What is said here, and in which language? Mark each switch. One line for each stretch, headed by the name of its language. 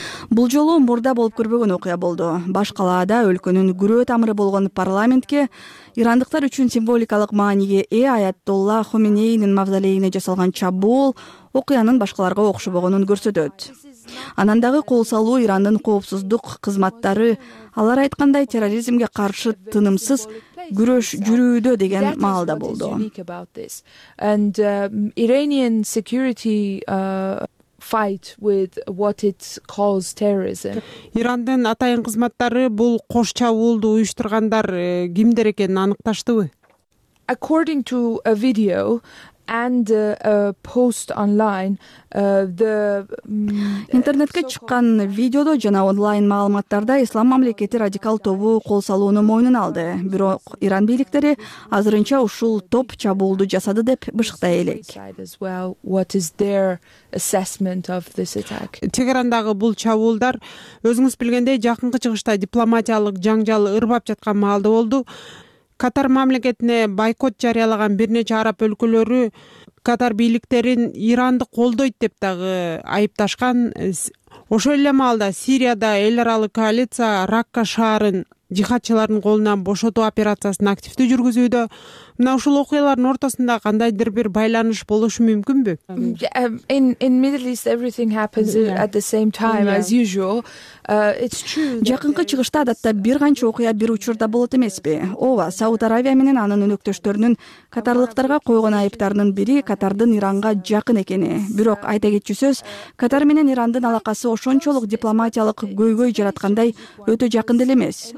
Kyrgyz: Бул жолу мурда болуп көрбөгөн окуя болду. Баш калаада өлкөнүн күрөө тамыры болгон парламентке ирандыктар үчүн символикалык мааниге ээ Аятолла Хоменеинин мавзолейине жасалган чабуул окуянын башкаларга окшобогонун көрсөтөт. Анан дагы кол салуу Ирандын коопсуздук кызматтары алар айткандай терроризмге каршы тынымсыз күрөш жүрүүдө деген маалда болду.
English: And Iranian security fight with what it calls terrorism.
Kyrgyz: Ирандын атайын кызматтары бул кош чабуулду уюштургандар кимдер экенин аныкташтыбы?
English: According to a video and a post online the
Kyrgyz: интернетке чыккан видеодо жана онлайн маалыматтарда Ислам мамлекети радикал тобу кол салууну мойнуна алды. Бирок Иран бийликтери азырынча ушул топ чабуулду жасады деп бышыктай элек.
English: What is their assessment of this attack?
Kyrgyz: Тегерандагы бул чабуулдар өзүңүз билгендей жакынкы чыгышта дипломатиялык жаңжал ырбап жаткан маалда болду. Катар мамлекетине бойкот жарыялаган бир нече араб өлкөлөрү Катар бийликтерин Иранды колдойт деп дагы айыпташкан. Ошол эле маалда Сирияда эл аралык коалиция Ракка шаарын жихатчылардын колунан бошотуу операциясын активдүү жүргүзүүдө. Мына ушул окуялардын ортосунда кандайдыр бир байланыш болушу мүмкүнбү?
English: In Middle East everything happens at the same time as usual. It's true.
Kyrgyz: Жакынкы чыгышта адатта бир канча окуя бир учурда болот эмеспи? Ооба, Сауд Аравия менен анын өнөктөштөрүнүн катарлыктарга койгон айыптарынын бири Катардын Иранга жакын экени. Бирок айта кетчү сөз, Катар менен Ирандын алакасы ошончолук дипломатиялык көйгөй жараткандай өтө жакын деле эмес.